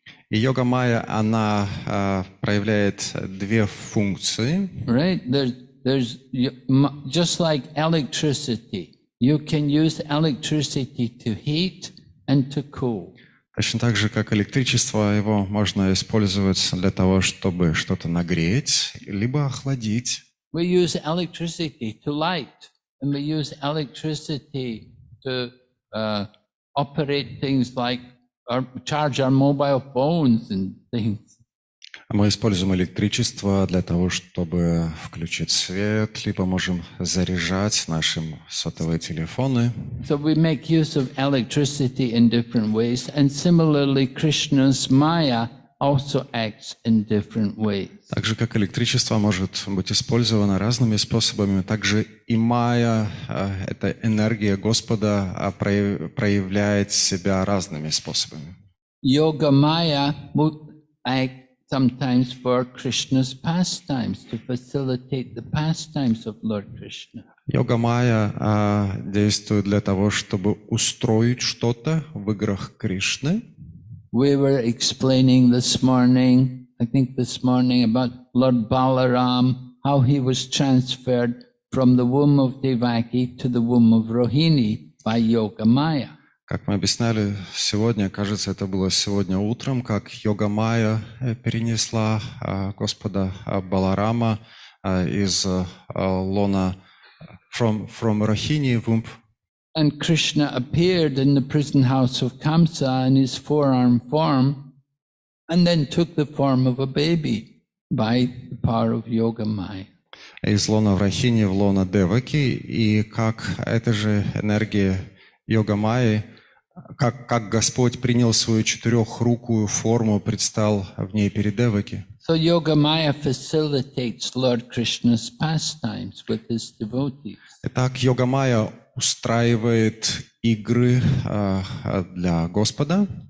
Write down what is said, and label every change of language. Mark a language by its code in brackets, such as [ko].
[ru] И йога-майя, она проявляет две функции. [en] Right? There's just like electricity. You can use electricity to heat and to cool. [ru] Точно так же, как электричество, его можно использовать для того, чтобы что-то нагреть, либо охладить. [en] We use electricity to light, and we use electricity to operate things like charge our mobile phones and things. [ru] Мы используем электричество для того, чтобы включить свет, либо можем заряжать наши сотовые телефоны. [en] So we make use of electricity in different ways, and similarly Krishna's Maya also acts in different ways. [ru] Так же, как электричество может быть использовано разными способами, так же и Майя, эта энергия Господа, проявляет себя разными способами. [en] Yoga Maya will act sometimes for Krishna's pastimes, to facilitate the pastimes of Lord Krishna. [ru] Йога Майя действует для того, чтобы устроить что-то в играх Кришны. [en] We were explaining this morning about Lord Balaram, how he was transferred from the womb of Devaki to the womb of Rohini by Yoga Maya. [ru] Как мы объясняли сегодня, кажется, это было сегодня утром, как Йога Майя перенесла Господа Баларама из лона [en] from Rohini womb. And Krishna appeared in the prison house of Kamsa in his forearm form, and then took the form of a baby by the power of Yoga Maya. [ru] Из лона Врахини в лона Деваки, и как эта же энергия Йога Майи, как Господь принял свою четырехрукую форму, предстал в ней перед Деваки. [en] So Yoga Maya facilitates Lord Krishna's pastimes with his devotees. [ru] Итак, Йога Майя устраивает игры для Господа.